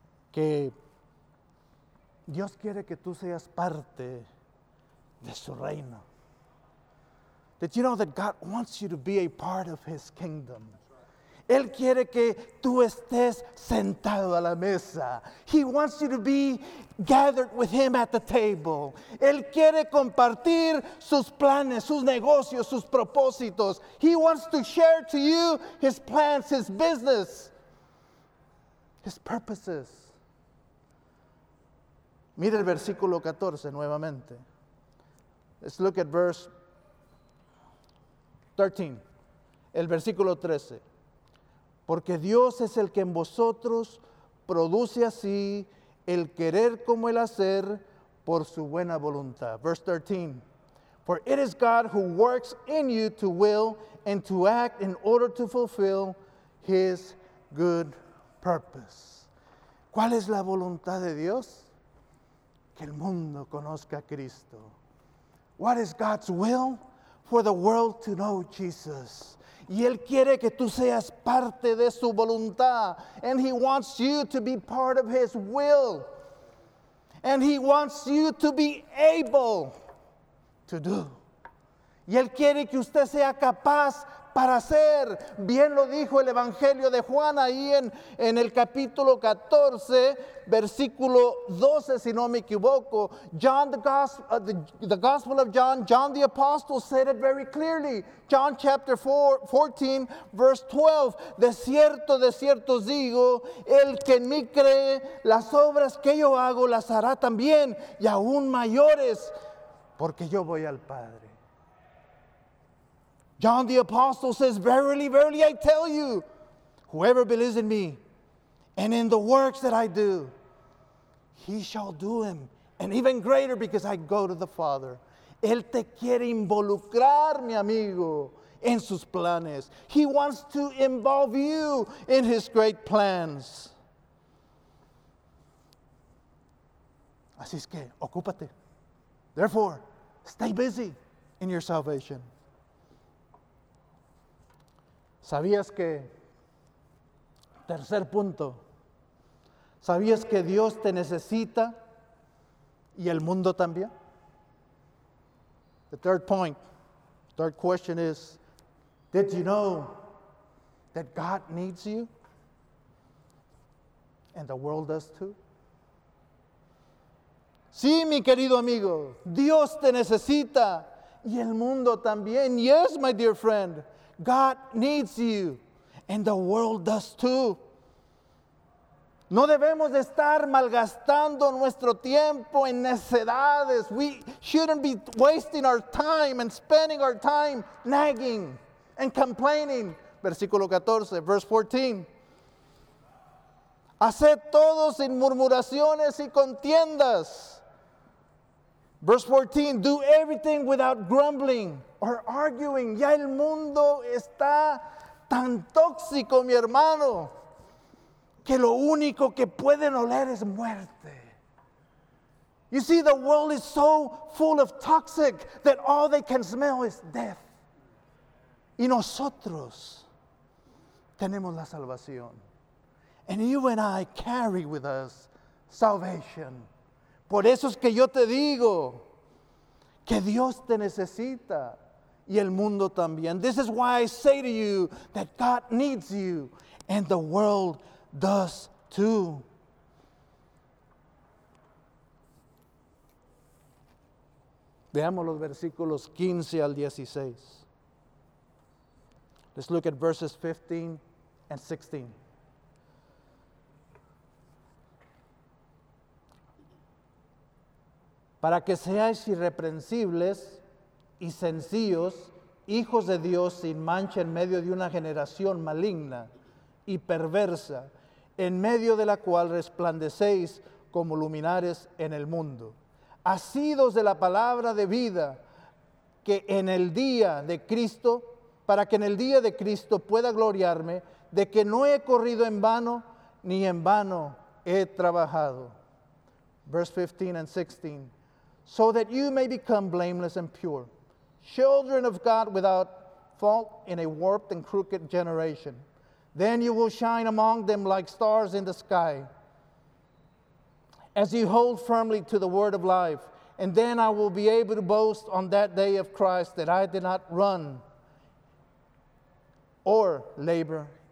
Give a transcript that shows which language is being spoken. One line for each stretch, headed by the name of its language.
Spanish: Que Dios quiere que tú seas parte de su reino.
English: Did you know that God wants you to be a part of His kingdom?
Spanish: Él quiere que tú estés sentado a la mesa.
English: He wants you to be gathered with him at the table.
Spanish: Él quiere compartir sus planes, sus negocios, sus propósitos.
English: He wants to share to you his plans, his business, his purposes.
Spanish: Mira el versículo 14 nuevamente.
English: Let's look at verse 13.
Spanish: El versículo 13. Porque Dios es el que en vosotros produce así el querer como el hacer por su buena voluntad.
English: Verse 13. For it is God who works in you to will and to act in order to fulfill his good purpose.
Spanish: ¿Cuál es la voluntad de Dios? Que el mundo conozca a Cristo.
English: What is God's will? For the world to know Jesus.
Spanish: Y Él quiere que tú seas parte de su voluntad.
English: And He wants you to be part of His will. And He wants you to be able to do.
Spanish: Y Él quiere que usted sea capaz para hacer. Bien lo dijo el Evangelio de Juan ahí en el capítulo 14, versículo 12, si no me equivoco.
English: John, the Gospel of John, the Apostle said it very clearly. John chapter 14, verse 12.
Spanish: De cierto os digo, el que en mí cree, las obras que yo hago las hará también, y aún mayores, porque yo voy al Padre.
English: John the Apostle says, verily, verily, I tell you, whoever believes in me and in the works that I do, he shall do them, and even greater because I go to the Father.
Spanish: Él te quiere involucrar, mi amigo, en sus planes.
English: He wants to involve you in his great plans.
Spanish: Así es que, ocúpate.
English: Therefore, stay busy in your salvation.
Spanish: ¿Sabías que, tercer punto, sabías que Dios te necesita y el mundo también?
English: The third point, third question is, did you know that God needs you and the world does too?
Spanish: Sí, mi querido amigo, Dios te necesita y el mundo también.
English: Yes, my dear friend. God needs you, and the world does too.
Spanish: No debemos de estar malgastando nuestro tiempo en necedades.
English: We shouldn't be wasting our time and spending our time nagging and complaining.
Spanish: Versículo 14,
English: verse 14.
Spanish: Haced todo sin murmuraciones y contiendas.
English: Verse 14, do everything without grumbling or arguing.
Spanish: Ya el mundo está tan tóxico, mi hermano, que lo único que pueden oler es muerte.
English: You see, the world is so full of toxic that all they can smell is death.
Spanish: Y nosotros tenemos la salvación.
English: And you and I carry with us salvation.
Spanish: Por eso es que yo te digo que Dios te necesita y el mundo también.
English: This is why I say to you that God needs you and the world does too.
Spanish: Veamos los versículos 15 al 16.
English: Let's look at verses 15 and 16.
Spanish: Para que seáis irreprensibles y sencillos, hijos de Dios sin mancha en medio de una generación maligna y perversa, en medio de la cual resplandecéis como luminares en el mundo. Asidos de la palabra de vida, que en el día de Cristo, para que en el día de Cristo pueda gloriarme de que no he corrido en vano, ni en vano he trabajado.
English: Verse 15 and 16. So that you may become blameless and pure, children of God without fault in a warped and crooked generation. Then you will shine among them like stars in the sky. As you hold firmly to the word of life, and then I will be able to boast on that day of Christ that I did not run or labor